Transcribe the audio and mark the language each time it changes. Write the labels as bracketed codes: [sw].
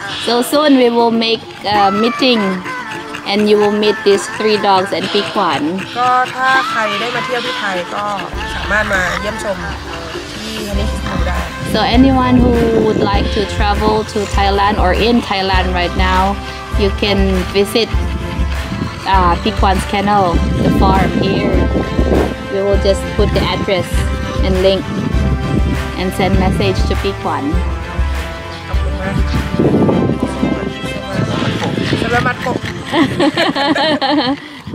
[en] So soon we will make a meeting, and you will meet these three dogs and Pi Kwan. [th] ก็ถ้าใครได้มาเที่ยวที่ไทยก็สามารถมาเยี่ยมชมที่ฮันนี่คิสบูได้ [en] So anyone who would like to travel to Thailand or in Thailand right now, you can visit. Pikwan's kennel, the farm here. We will just put the address and link and send message to Pikwan.